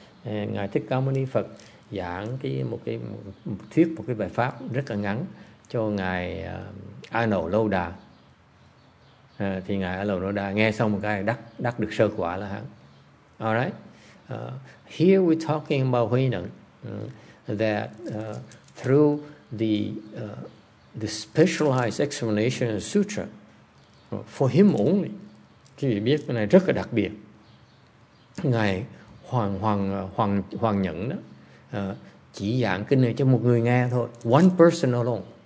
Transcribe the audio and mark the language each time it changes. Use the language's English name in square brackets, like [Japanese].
[Vietnamese] And ngài Thích Ca Mâu Ni Phật giảng một bài pháp rất là ngắn cho ngài Anuruddha. Thì ngài Anuruddha nghe xong một cái đắc được sơ quả là hắn. [English] All right. Here we're talking about Huy Nhẫn, that through the specialized explanation of sutra for him only. [Vietnamese] Thì biết cái này rất là đặc biệt. Ngài Hoàng Nhẫn đó chỉ giảng kinh này cho một người nghe thôi, [English] one person alone.